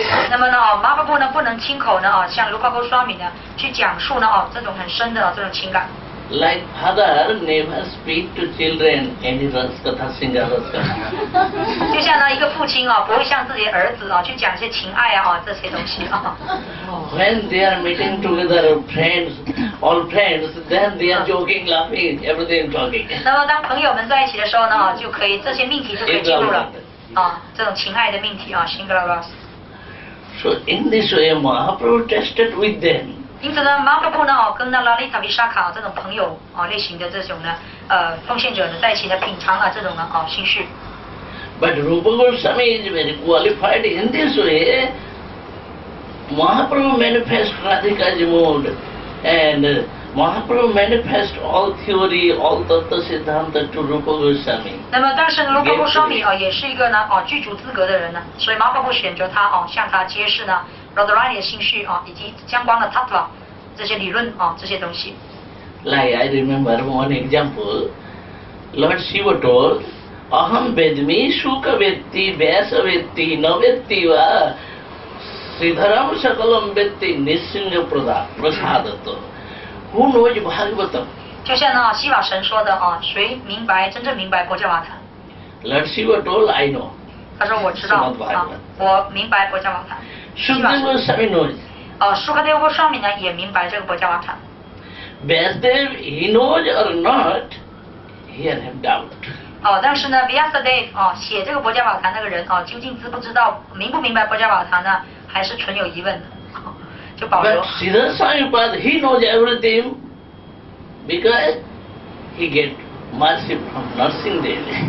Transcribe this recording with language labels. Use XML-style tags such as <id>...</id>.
<zh>那么呢，马布布呢不能亲口呢向卢卡布双米呢去讲述呢这种很深的这种情感。</zh> <en>Like father never speak to children any raskatha singa raskatha。</en> <zh>就像呢一个父亲不会向自己儿子去讲一些情爱这些东西。</zh> <en>When they are meeting together, friends, all friends, then they are joking, laughing, everything talking。</en> <zh>那么当朋友们在一起的时候呢就可以这些命题就可以记录了。这种情爱的命题Singla Ras.</zh> <en>So in this way, Mahaprabhu tested with them.</en> <zh>因此呢，马可波呢跟那拉利塔维沙卡这种朋友类型的这种呢奉献者呢在一起呢品尝了这种呢心绪。</zh> <en>But Rupa Goswami is very qualified in this way. Mahaprabhu manifest Radhika's mood, and Mahaprabhu manifest all theory, all tattva siddhanta to Rupa Goswami.</en> <zh>那么，但是卢卡布沙米也是一个呢具足资格的人呢，所以马可波选择他向他揭示呢 Radharani 的心绪以及相关的 tattva 这些理论这些东西。</zh> <en>Like I remember one example, Lord Shiva told,</en> <sa>"Aham vedmi sukha vetti vyasa vetti navetti va siddharam sakalam vetti nisinga prasadato."</sa> <en>Who knows Bhagavatam?</en> <zh>就像呢，西瓦神说的谁明白真正明白国家瓦坦</zh> <en>？Lord Shiva told I know.</en> <zh>他说我知道我明白国家瓦坦。</zh> <en>Shukadeva Goswami knows.</en> <zh>Shukadeva Goswami呢也明白这个国家瓦坦。</zh> <en>Vyasadeva he knows or not, he has doubt.</en> <zh>但是呢 ，Vyasadeva 写这个国家瓦坦那个人究竟知不知道明不明白国家瓦坦呢？还是存有疑问的。</zh> <en>But Siddha Samyupada, he knows everything because he gets mercy from Narsingdev.</en>